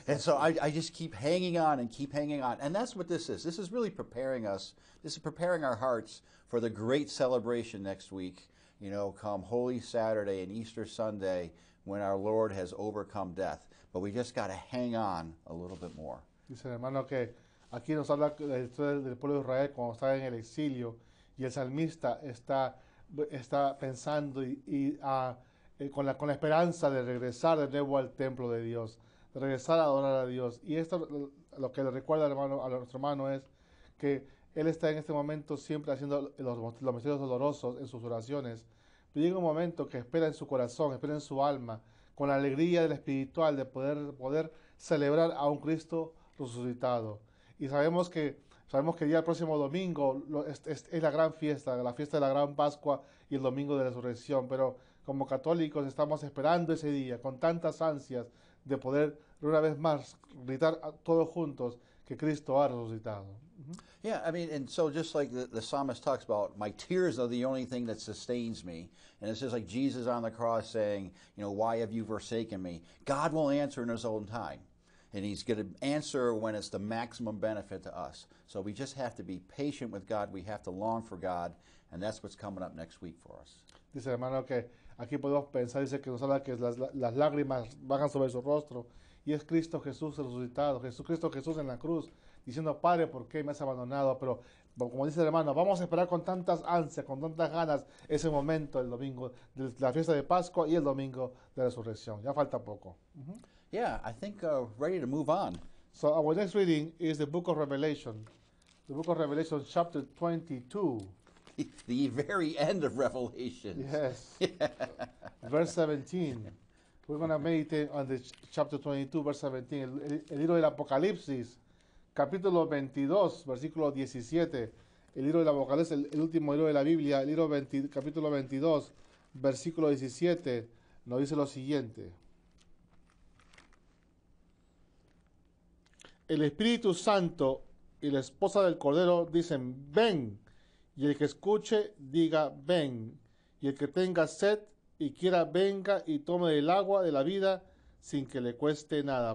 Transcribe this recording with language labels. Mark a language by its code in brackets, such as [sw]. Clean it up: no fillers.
[en] And so I just keep hanging on and keep hanging on. And that's what this is. This is really preparing us. This is preparing our hearts for the great celebration next week, you know, come Holy Saturday and Easter Sunday, when our Lord has overcome death. But we just got to hang on a little bit more. [es] Dice el hermano que aquí nos habla de la historia del pueblo de Israel cuando está en el exilio, y el salmista está pensando con la esperanza de regresar de nuevo al templo de Dios, de regresar a adorar a Dios. Y esto lo que le recuerda a nuestro hermano es que él está en este momento siempre haciendo los misterios dolorosos en sus oraciones, pero llega un momento que espera en su corazón, espera en su alma, con la alegría del espiritual de poder celebrar a un Cristo resucitado. Y sabemos que el día del próximo domingo es la gran fiesta, la fiesta de la gran Pascua y el domingo de la resurrección, pero como católicos estamos esperando ese día con tantas ansias de poder una vez más gritar todos juntos que Cristo ha resucitado. [en] Yeah, I mean, and so just like the psalmist talks about, my tears are the only thing that sustains me. And it's just like Jesus on the cross saying, you know, why have you forsaken me? God will answer in his own time. And he's going to answer when it's the maximum benefit to us. So we just have to be patient with God. We have to long for God. And that's what's coming up next week for us. [es] Dice hermano que aquí podemos pensar, dice que nos habla que las lágrimas bajan sobre su rostro. Y es Cristo Jesús resucitado, Jesucristo Jesús en la cruz, diciendo, Padre, ¿por qué me has abandonado? Pero como dice el hermano, vamos a esperar con tantas ansias, con tantas ganas, ese momento, el domingo, de la fiesta de Pascua y el domingo de la resurrección. Ya falta poco. [en] Uh-huh. Yeah, I think ready to move on. So our next reading is the book of Revelation. The book of Revelation, chapter 22. The very end of Revelation. Yes. Verse 17. We're going to meditate on the chapter 22, verse 17. [es] El libro del Apocalipsis. Capítulo 22, versículo 17, el libro de la Apocalipsis, el último libro de la Biblia, el libro 20, capítulo 22, versículo 17, nos dice lo siguiente. El Espíritu Santo y la esposa del Cordero dicen, ven, y el que escuche, diga, ven, y el que tenga sed y quiera, venga y tome el agua de la vida sin que le cueste nada.